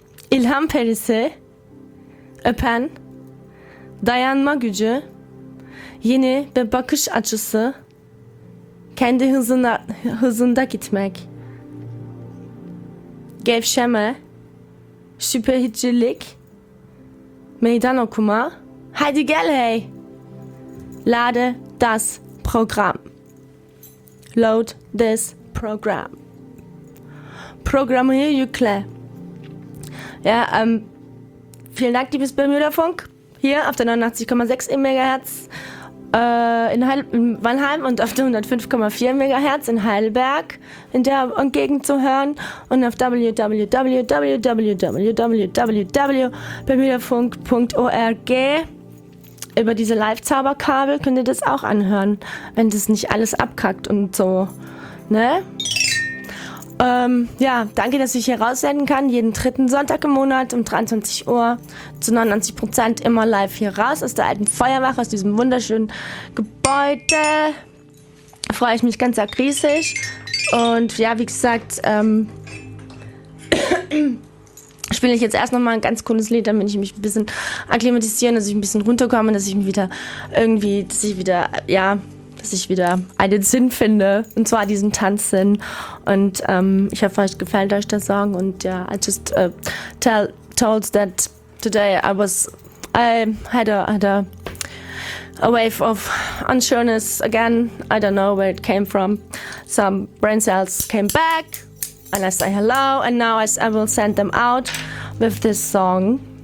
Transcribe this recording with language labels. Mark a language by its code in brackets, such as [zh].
[tr] ilham perisi, öpen, dayanma gücü, yeni bir bakış açısı, kendi hızında gitmek, gevşeme, şüphecilik, meydan okuma, hadi gel hey, [de] lade das program, [en] load this program, [tr] programı yükle. [de] Ja, vielen Dank, liebes Bermuda-Funk, hier auf der 89,6 im Megahertz in Weilheim und auf der 105,4 Megahertz in Heidelberg in der Umgegend zu hören und auf www.bermudafunk.org. Über diese Live-Zauberkabel könnt ihr das auch anhören, wenn das nicht alles abkackt und so, ne? Ja, danke, dass ich hier raussenden kann, jeden dritten Sonntag im Monat um 23 Uhr zu 99% immer live hier raus aus der alten Feuerwache, aus diesem wunderschönen Gebäude. Da freue ich mich ganz arg riesig. Und ja, wie gesagt, spiele ich jetzt erst nochmal ein ganz cooles Lied, damit ich mich ein bisschen akklimatisieren, dass ich ein bisschen runterkomme, dass ich mich wieder irgendwie, dass ich wieder, ja, dass ich wieder einen Sinn finde, und zwar diesen Tanzsinn. Und ich hoffe, euch gefällt euch der Song. [en] Und ja, yeah, I just told that today I had a wave of unsureness again. I don't know where it came from. Some brain cells came back and I say hello, and now I will send them out with this song.